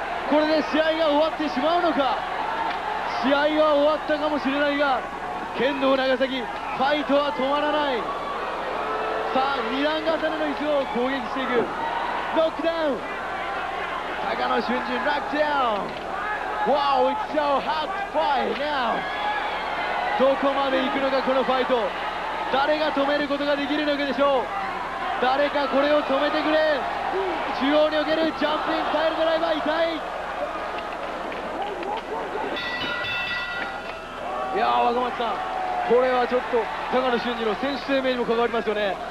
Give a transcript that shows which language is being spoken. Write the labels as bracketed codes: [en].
[ja] これで試合が終わってしまうのか。試合は終わったかもしれないが、剣道長崎ファイトは止まらない。さあ二段重ねの椅子を攻撃していく。ノックダウン、高野俊二ノックダウン。 [en] Wow, it's so hard to fight now。 [ja] どこまで行くのかこのファイト。誰が止めることができるのかでしょう。誰かこれを止めてくれ。中央におけるジャンピングタイルドライバー痛い。いやー若松さん、これはちょっと高野俊二の選手生命にも関わりますよね。